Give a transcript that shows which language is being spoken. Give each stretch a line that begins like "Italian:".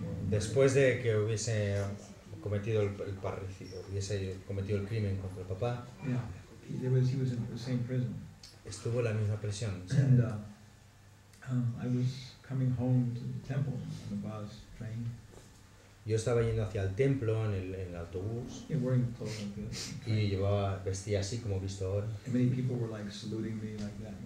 Spanish: Después de que hubiese cometido el parricidio, hubiese cometido el crimen contra el papá.
English: Yeah, he was in the same prison.
Spanish: Estuvo en la misma prisión.
English: And I was coming home to the temple on the bus train.
Spanish: Yo estaba yendo hacia el templo en el autobús.
English: Yeah, wearing clothes like this.
Spanish: Y vestía así como he visto ahora.
English: And many people were like saluting me like that.